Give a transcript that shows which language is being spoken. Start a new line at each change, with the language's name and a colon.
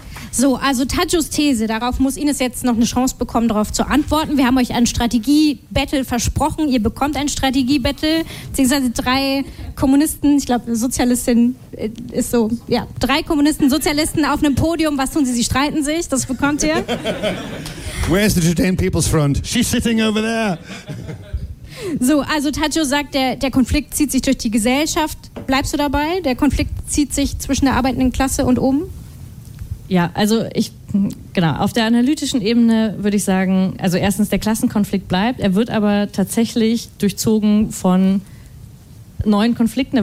German: So, also Tadjus These, darauf muss Ines jetzt noch eine Chance bekommen, darauf zu antworten. Wir haben euch ein Strategie-Battle versprochen. Ihr bekommt ein Strategie-Battle, beziehungsweise drei Kommunisten, ich glaube, Sozialistin ist so, ja, drei Kommunisten, Sozialisten auf einem Podium. Was tun sie? Sie streiten sich, das bekommt ihr.
English: Where's the Judean People's Front? She's sitting over there.
German: So, also Tadjo sagt, der Konflikt zieht sich durch die Gesellschaft. Bleibst du dabei? Der Konflikt zieht sich zwischen der arbeitenden Klasse und oben? Ja, also ich, genau, auf der analytischen Ebene würde ich sagen, also erstens, der Klassenkonflikt bleibt. Er wird aber tatsächlich durchzogen von neuen Konflikten.